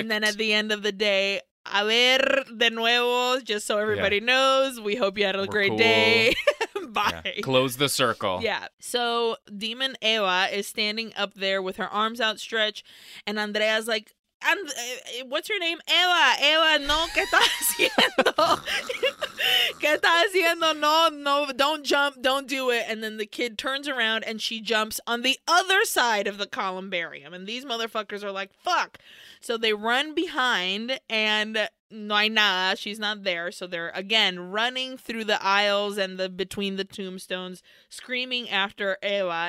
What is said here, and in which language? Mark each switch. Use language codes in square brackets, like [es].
[en] And then at the end of the day, a ver de nuevo, just so everybody yeah. knows, we hope you had a we're great cool. day. Bye. Yeah. Close the circle. Yeah. So Demon Eva is standing up there with her arms outstretched, and Andrea's like, and what's your name? [es] Eva, no, ¿qué estás haciendo? [en] ¿Qué estás haciendo? No, don't jump, don't do it. And then the kid turns around and she jumps on the other side of the columbarium. And these motherfuckers are like, fuck. So they run behind and no hay nada, she's not there. So they're, again, running through the aisles and the between the tombstones, screaming after Eva.